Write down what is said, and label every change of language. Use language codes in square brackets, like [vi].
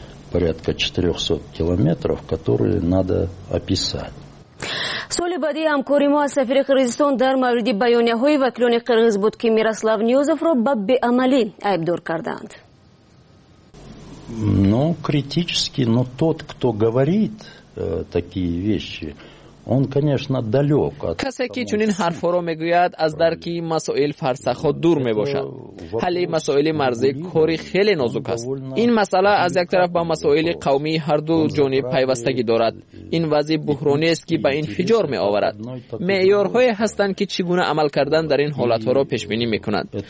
[ru] порядка 400 километров, которые надо описать. [tg] Соли бади амкори мо аз сафири Қирғизистон дар мавриди баёнияҳои вакилони Қирғиз буд ки Мирослав Ниёзовро ба беамалӣ айбдор карданд. [ru] Ну, критически, но тот, кто говорит такие вещи, он, конечно, далёк от. [tg] Касе ки чунин ҳарфро мегӯяд, аз дарки масоил фарсахо дур мебошад. Ҳалли масоили марзӣ кори хеле нозук аст. Ин масъала аз як тараф ба масоили қавмии ҳар ду ҷониб пайвастагӣ дорад. Ин вазъи буҳронист ки ба инфиҷор меоварад. Меъёрҳое ҳастанд ки чӣ гуна амал кардан дар ин ҳолатҳоро пешбинӣ мекунад.